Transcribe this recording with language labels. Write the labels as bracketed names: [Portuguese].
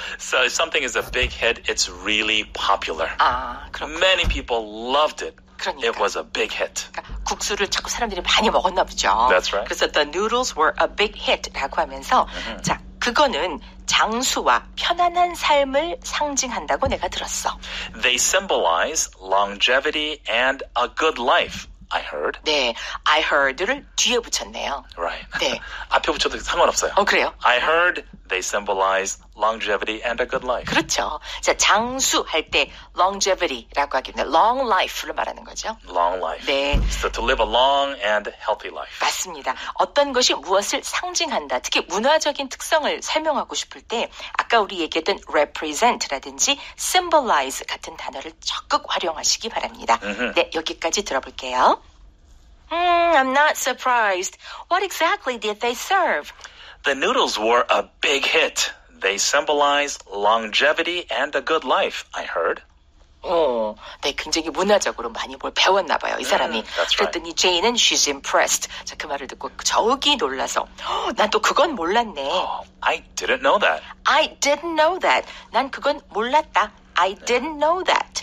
[English] So if something is a big hit, it's really popular. [Korean] 아, 그렇구나. [English] Many people loved it. [Korean] 그러니까. [English] It was a big hit. [Korean] 그러니까 국수를 자꾸 사람들이 많이 먹었나 보죠. [English] That's right. [Korean] 그래서 [English] the noodles were a big hit [Korean] 라고 하면서 mm-hmm. 자, 그거는 장수와 편안한 삶을 상징한다고 내가 들었어. [English] They symbolize longevity and a good life. I heard. [Korean] 네, I heard를 뒤에 붙였네요. [English] Right. [Korean] 네. 앞에 붙여도 상관없어요. 어, 그래요? [English] I heard they symbolize longevity and a good life. [Korean] 그렇죠. 자, 장수 할 때 longevity라고 하기 때문에 long life를 말하는 거죠. [English] Long life. [Korean] 네. [English] So to live a long and healthy life. [Korean] 맞습니다. 어떤 것이 무엇을 상징한다. 특히 문화적인 특성을 설명하고 싶을 때 아까 우리 얘기했던 represent라든지 symbolize 같은 단어를 적극 활용하시기 바랍니다. Mm-hmm. 네, 여기까지 들어볼게요. [English] I'm not surprised. What exactly did they serve? The noodles were a big hit. They symbolize longevity and a good life, I heard. [Korean] 오, 네, 굉장히 문화적으로 많이 뭘 배웠나 봐요, 이 사람이. [English] That's right. [Korean] 그랬더니 제인은 [English] she's impressed. [Korean] 자, 그 말을 듣고 저기 놀라서 난 또 그건 몰랐네. [English] I didn't know that. I didn't know that. [Korean] 난 그건 몰랐다. [English] I didn't know that.